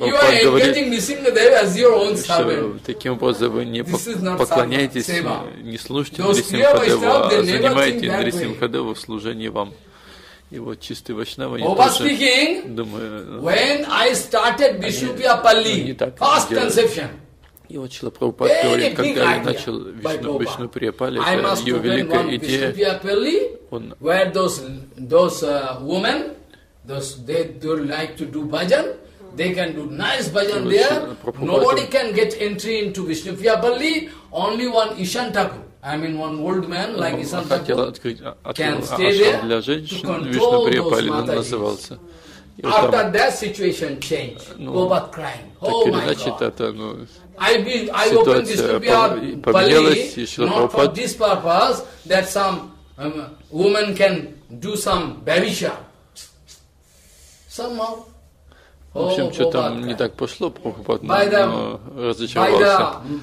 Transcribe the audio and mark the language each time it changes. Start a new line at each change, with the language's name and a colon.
English: You are engaging me, Shingadev, as your own servant.
Russian: Таким образом вы не поклоняетесь, не слушаете Нарисимхадеву, а занимаете Нарисимхадеву в служении вам. И вот чистый вайшнава, я тоже
English: speaking,
Russian: думаю,
English: when I started Vishnupriyapalli, first conception.
Russian: И вот Шрила Прабхупада говорит, когда я начал Вишнуприяпалли, это ее великая идея.
English: Он, where those women, those they like to do bhajan, they can do nice bhajan there. Nobody can get entry into Vishnupriyapalli, only one Ishan Thakur. I mean, one old man like Ishan Thakur can stay there to control those Matajis. After that situation changed, Prabhupada crying. Oh my God! I opened this Vishnupriyapalli not for this purpose that some woman can do some bhavisha. Somehow.
Russian: В общем, что там не так пошло, Прабхупада, но разочаровался,